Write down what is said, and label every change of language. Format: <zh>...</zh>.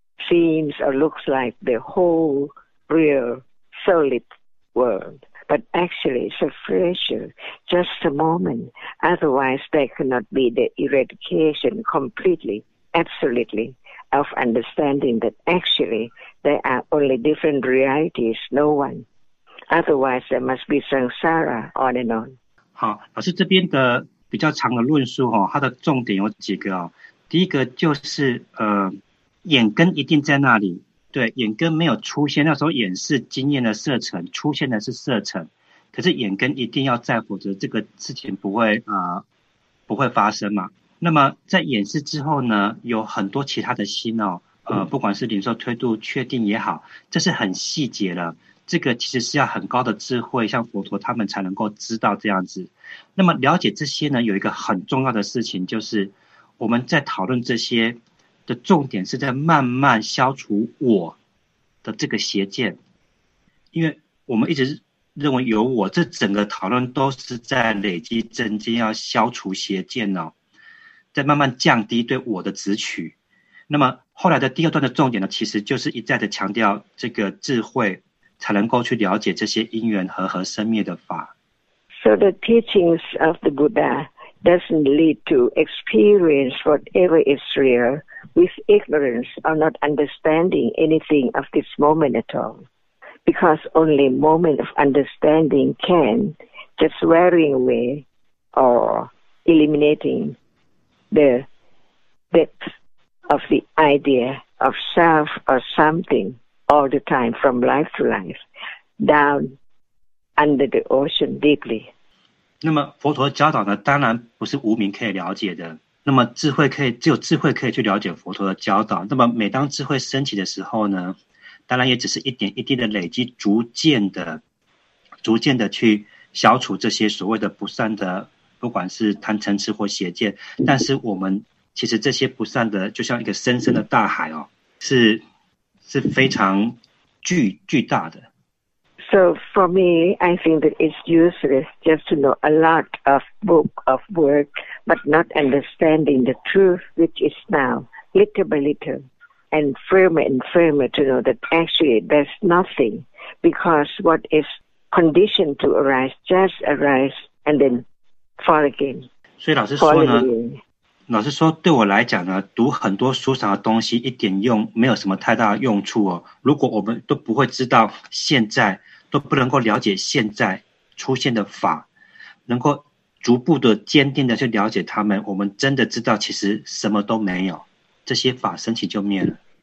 <en>seems or looks like the whole real solid world, but actually it's a fracture, just a moment. Otherwise, there cannot be the eradication completely, absolutely, of understanding that actually there are only different realities, no one. Otherwise, there must be samsara on and on.</en> <zh>好，老师这边的比较长的论述哦，它的重点有几个哦。第一个就是眼根一定在那里。对，眼根没有出现，那时候眼是经验的色尘，出现的是色尘，可是眼根一定要在，否则这个事情不会发生嘛。那么在眼识之后呢，有很多其他的心哦，不管是灵受推度确定也好，这是很细节了，这个其实是要很高的智慧，像佛陀他们才能够知道这样子。那么了解这些呢，有一个很重要的事情，就是我们在讨论这些的重点是在慢慢消除我的这个邪见，因为我们一直认为有我，这整个讨论都是在累积正见，要消除邪见哦，在慢慢降低对我的执取。那么后来的第二段的重点呢，其实就是一再的强调这个智慧才能够去了解这些因缘和合生灭的法。</zh> <en>So the teachings of the Buddha doesn't lead to experience whatever is realwith ignorance or not understanding anything of this moment at all. Because only moment of understanding can just wearing away or eliminating the depth of the idea of self or something all the time from life to life down under the ocean deeply.</en> <zh>那么佛陀教导呢，当然不是无明可以了解的。那么智慧可以，只有智慧可以去了解佛陀的教导。那么每当智慧升起的时候呢，当然也只是一点一滴的累积，逐渐的去消除这些所谓的不善的，不管是贪嗔痴或邪见。但是我们其实这些不善的就像一个深深的大海哦，是非常巨大的。</zh> <en>So for me, I think that it's useless just to know a lot of book of work, but not understanding the truth, which is now little by little and firmer to know that actually there's nothing, because what is conditioned to arise just arise and then fall again.</en> <zh>所以老师说呢，老师说对我来讲呢，读很多书上的东西一点用没有什么太大的用处哦。如果我们都不会知道现在，都不能够了解现在出现的法，能够逐步的坚定的去了解他们，我们真的知道其实什么都没有，这些法升起就灭了。</zh>